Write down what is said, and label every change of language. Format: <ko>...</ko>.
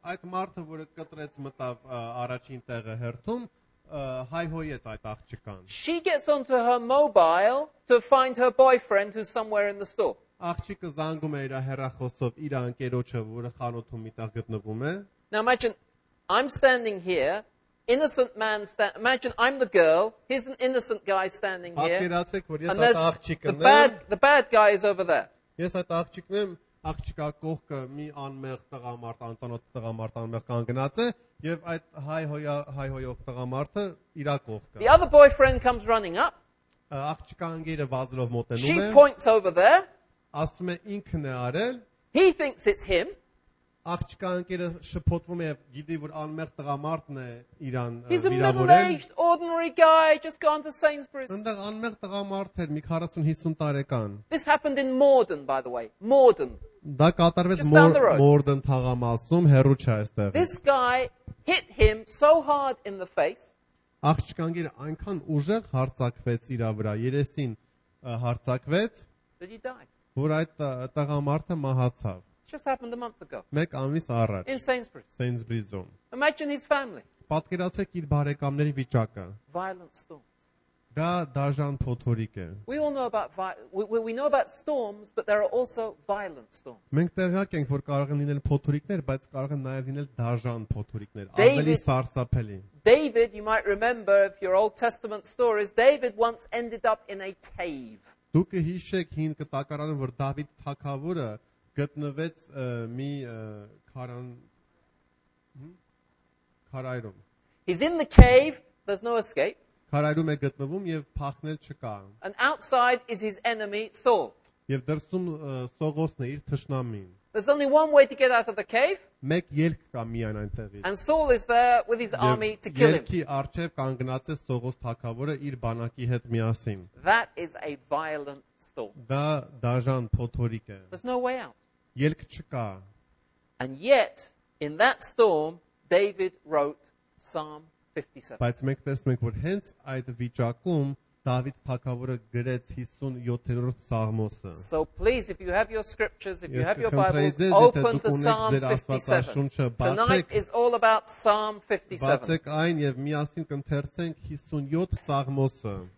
<hy>Այդ մարդը որը կտրեց մտավ առաջին տեղը հերթում հայհոյեց այդ աղջկան.</hy> <en>She gets onto her mobile to find her boyfriend who's somewhere in the store.</en> <hy>Աղջիկը զանգում է իր հեռախոսով իր ընկերոջը, որը խանութում միտեղ գտնվում է։</hy> <en>Now imagine I'm standing here, innocent man standing. Imagine I'm the girl, he's an innocent guy standing here.</en> <hy>Պատկերացրեք, որ ես այդ աղջիկն եմ։</hy> <en>The bad guy is over there.</en> <hy>Ես այդ աղջիկն եմ, աղջկա կողքը մի անմեղ տղամարդ, անծանոթ տղամարդ անմեղ կանգնած է, եւ այդ հայհոյով տղամարդը իր կողքը։</hy> <en>The other boyfriend comes running up.</en> <hy>Աղջկա անգերը վազելով մոտենում է։</hy> <en>She points over there.</en> <hy>Ասում է ինքն է արել։</hy> <en>He thinks it's him.</en> <hy>Աղջկա ընկերը շփոթվում է եւ գիտի որ անմեղ տղամարդն է իրան վիրավորել։</hy> <en>He's a middle-aged ordinary guy just gone to Sainsbury's.</en> <hy>Ընդ անմեղ տղամարդ էր, մի 40-50 տարեկան։</hy> <en>This happened in Morden by the way. Morden.</en> <hy>Դա կատարվեց Morden թաղամասում, հեռու չէ այստեղ։</hy> <en>This guy hit him so hard in the face.</en> <hy>Աղջկա ընկերը այնքան ուժեղ հարձակվեց իր վրա, երեսին հարձակվեց։</hy> <en>Did he die?</en> <hy>Որ այդ տղամարդը մահացավ։</hy> <en>Just happened a month ago.</en> <hy>Մեկ ամիս առաջ։</hy> <en>In Sainsbury's.</en> <hy>Sainsbury's-ում։</hy> <en>Imagine his family.</en> <hy>Պատկերացրեք իր բարեկամների վիճակը։</hy> <en>Violent storms.</en> <hy>Դա դաժան փոթորիկ է.</hy> <en>We all know about we know about storms, but there are also violent storms.</en> <hy>Մենք տեղյակ ենք, որ կարող են լինել փոթորիկներ, բայց կարող են նաև լինել դաժան փոթորիկներ, ավելի սարսափելի.</hy> <en>David, you might remember if your Old Testament stories, David once ended up in a cave.</en> <hy>Դուք հիշեք հին կտակարանը, որ Դավիթ թագավորը գտնվեց մի քարայրում.</hy> <en>He's in the cave, there's no escape.</en> <hy>Քարայրում է գտնվում եւ փախնել չկա.</hy> <en>And outside is his enemy Saul.</en> <hy>Եվ դրսում Սողոսն է իր թշնամին.</hy> <en>There's only one way to get out of the cave.</en> <hy>Մեկ ելք կա միայն այնտեղից.</hy> <en>And Saul is there with his army to kill him.</en> <hy>Ելքի արջև կանգնած է Սողոս թագավորը իր բանակի հետ միասին.</hy> <en>That is a violent storm.</en> <hy>Դա դաժան փոթորիկ է.</hy> <en>There's no way out.</en> <hy>Ելք չկա.</hy> <en>And yet in that storm David wrote Psalm 57.</en> <hy>Բայց մենք տեսնում ենք, որ հենց այդ վիճակում Դավիթ թագավորը գրեց 57-րդ սաղմոսը.</hy> <en>So please, if you have your scriptures, if you have your Bibles, open to Psalm 57. Tonight is all about Psalm 57.</en> <hy>Բացեք այն եւ միասին կընթերցենք 57 սաղմոսը.</hy>